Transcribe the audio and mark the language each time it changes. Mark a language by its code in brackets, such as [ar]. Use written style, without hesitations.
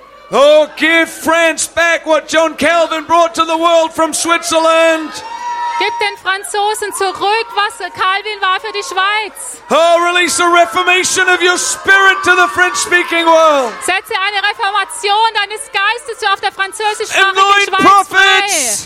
[en] Oh, give France back what John Calvin brought to the world from Switzerland. [de] Gib den Franzosen zurück, was Calvin war für die Schweiz. [en] Oh, release a reformation of your spirit to the French-speaking world. [de] Setze eine Reformation deines Geistes auf der französischsprachigen Schweiz